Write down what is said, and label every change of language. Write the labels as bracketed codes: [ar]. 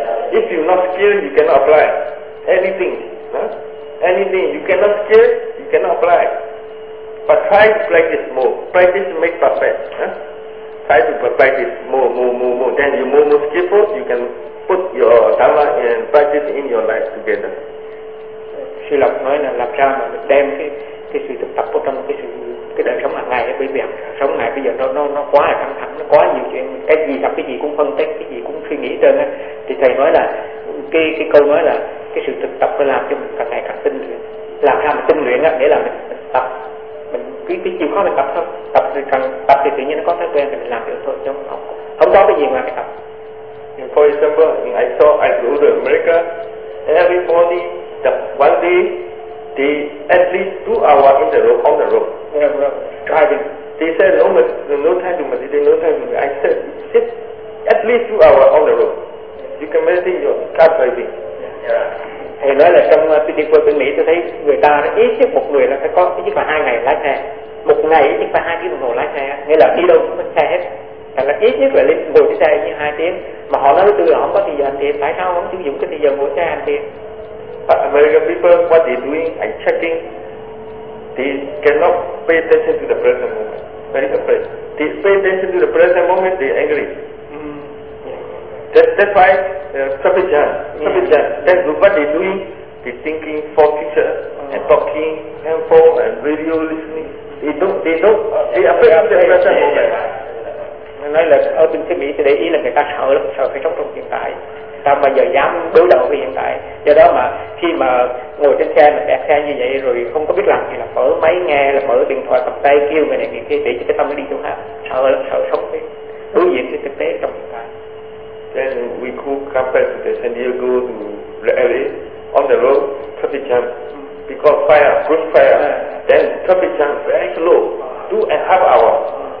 [en] If you're not skilled, you cannot apply anything. Huh? Anything. You cannot skill, you cannot apply. But try to practice more. Practice make perfect. Huh? Try to practice more. Then you're more skillful, you can put your dharma and practice in your life together. [vi] Sư Lộc nói là làm sao mà đem cái sự thực tập của trong cái đời sống hàng ngày, cái việc sống ngày bây giờ nó quá là căng thẳng, nó quá nhiều chuyện, cái gì gặp cái gì cũng phân tích, cái gì cũng suy nghĩ trơn á. Thì thầy nói là cái câu nói là cái sự thực tập nó làm cho mình càng ngày càng tinh luyện. Làm sao mà tinh luyện á, nghĩa là mình tập, mình cứ chịu khó mình tập thôi, tập thì cần tập thì tự nhiên nó có thói quen thì mình làm được thôi, chứ không có cái gì ngoài cái tập. [en] For example, I go to America, everybody the one day, they at least 2 hours in the road, on the road. Driving. They said, no time to meditate, no time to meditate. I said, sit at least 2 hours on the road. You can meditate in your car driving. Yeah. [vi] Thầy nói là trong đi qua bên Mỹ tôi thấy người ta ít nhất một người là phải có ít nhất là 2 ngày lái xe. Một ngày ít nhất là 2 tiếng đồng hồ lái xe. Nghĩa là đi đâu cũng có xe hết. Thật là ít nhất là lên ngồi cái xe như 2 tiếng. Mà họ nói từ là không có thời giờ hành thiền. Tại sao không sử dụng cái thời giờ ngồi xe hành thiền? [en] But American people, what they're doing, I'm checking, they cannot pay attention to the present moment. Very afraid. They pay attention to the present moment, they're angry. Mm. That's why, sufficient. That's what they're doing, they're thinking for future, and talking, handphone, and radio listening. They're afraid of the present moment. [vi] Nói là ở bên phía Mỹ thì để ý là người ta sợ phải sống trong hiện tại, ta bao giờ dám đối đầu với hiện tại. Do đó mà khi mà ngồi trên xe mà đẹp xe như vậy rồi không có biết làm gì là mở máy nghe, là mở điện thoại cầm tay kêu người này người kia để cho cái tâm nó đi chỗ khác, sợ sống với đối diện với thực tế trong hiện tại. [en] Then we could come back to San Diego to LA on the road, traffic jam because fire, good fire. Then traffic jam very slow, 2.5 hours.